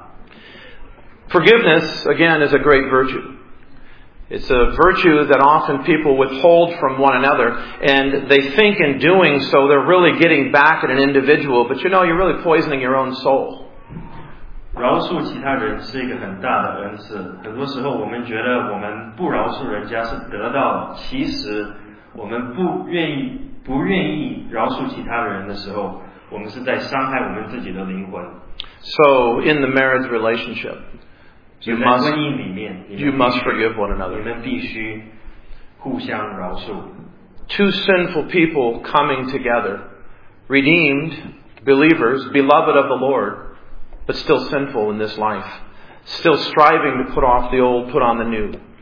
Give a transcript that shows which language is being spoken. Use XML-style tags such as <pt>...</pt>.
<zh>耶稣告诉彼得说，你弟兄甚至得罪一天得罪你七次，你每一次都要饶恕他。</zh> <en>Forgiveness again is a great virtue. It's a virtue that often people withhold from one another, and they think in doing so they're really getting back at an individual, but you know, you're really poisoning your own soul.</en> <zh>饶恕其他人是一个很大的恩赐，很多时候我们觉得我们不饶恕人家是得到，其实我们不愿意饶恕其他人的时候，我们是在伤害我们自己的灵魂。</zh> <en>So in the marriage relationship, You must forgive one another.</en> <zh>你们必须互相饶恕。</zh> <en>Two sinful people coming together, redeemed believers, beloved of the Lord, but still sinful in this life, still striving to put off the old, put on the new.</en>